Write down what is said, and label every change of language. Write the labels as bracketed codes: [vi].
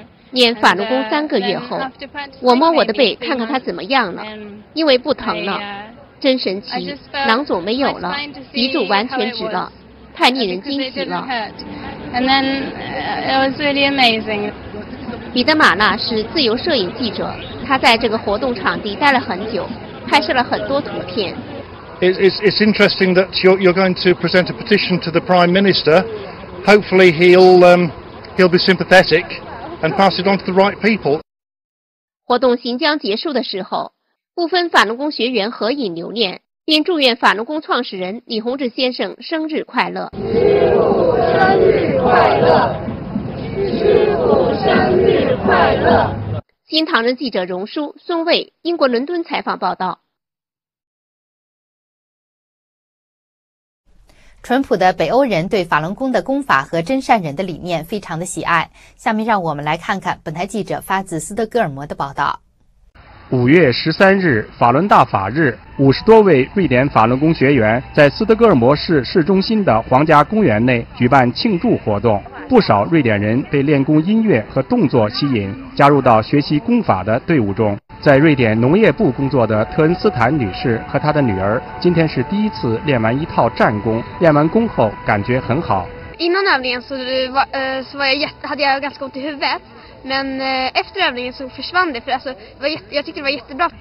[zh] 念法轮功三个月后，我摸我的背，看看它怎么样了，因为不疼了，真神奇，囊肿没有了，脊柱完全直了。太令人惊喜了。 [en] And then, it was really amazing. [zh] 彼得玛纳是自由摄影记者，他在这个活动场地待了很久，拍摄了很多图片。 [en] It's interesting that you're going to present a petition to the Prime Minister. Hopefully he'll be sympathetic and pass it on to the right people. [zh] 活动行将结束的时候，部分法轮功学员合影留念，并祝愿法轮功创始人李洪志先生生日快乐。师父生日快乐，师父生日快乐。新唐人记者荣书、孙卫，英国伦敦采访报道。淳朴的北欧人对法轮功的功法和真善人的理念非常的喜爱。下面让我们来看看本台记者发自斯德哥尔摩的报道。 5月13日，法轮大法日，50多位瑞典法轮功学员在斯德哥尔摩市市中心的皇家公园内举办庆祝活动。不少瑞典人被练功音乐和动作吸引，加入到学习功法的队伍中。在瑞典农业部工作的特恩斯坦女士和她的女儿，今天是第一次练完一套战功，练完功后感觉很好。 [sv] Innan övningen hade jag ganska ont i huvudet, men efter övningen så försvann det, för jag tyckte det var jättebra.